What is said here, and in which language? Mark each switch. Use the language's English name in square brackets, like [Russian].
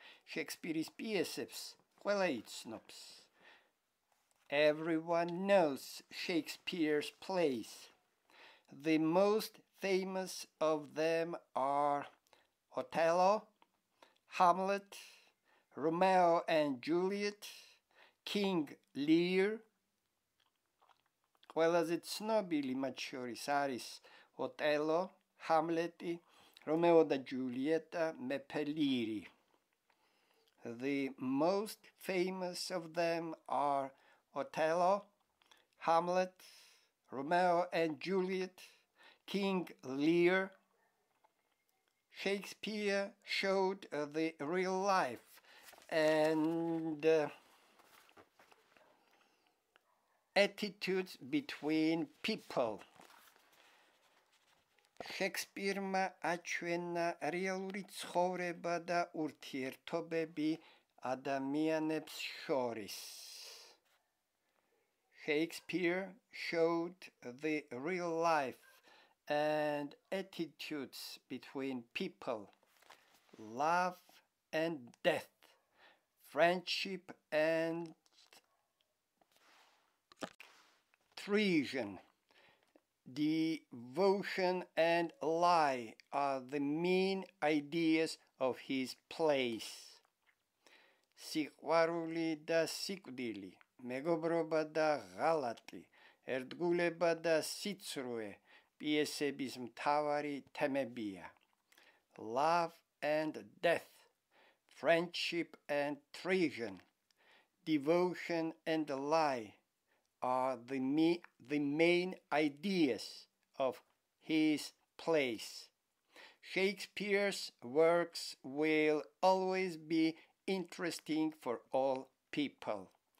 [English] Shakespeare's pieces, quella itsnops. Everyone knows Shakespeare's plays. The most famous of them are Othello, Hamlet, Romeo and Juliet, King Lear. [Georgian] Ყველაზე ცნობილი მათ შორის არის ოტელო, ჰამლეტი, რომეო და ჯულიეტა, მეფე ლირი. [English] The most famous of them are Othello, Hamlet, Romeo and Juliet, King Lear. Shakespeare showed the real life and attitudes between people. [Georgian] Shakespeare-მა აჩვენა რეალური ცხოვრება და ურთიერთობები ადამიანებს შორის. [English] Shakespeare showed the real life and attitudes between people, love and death, friendship and treason. Devotion and lie are the main ideas of his plays. [Georgian] Სიყვარული და სიკვდილი, მეგობრობა და ღალატი, ერთგულება და სიცრუე პიესების მთავარი თემებია. [English] Love and death, friendship and treason, devotion and lie are the main ideas of his plays. Shakespeare's works will always be interesting for all people.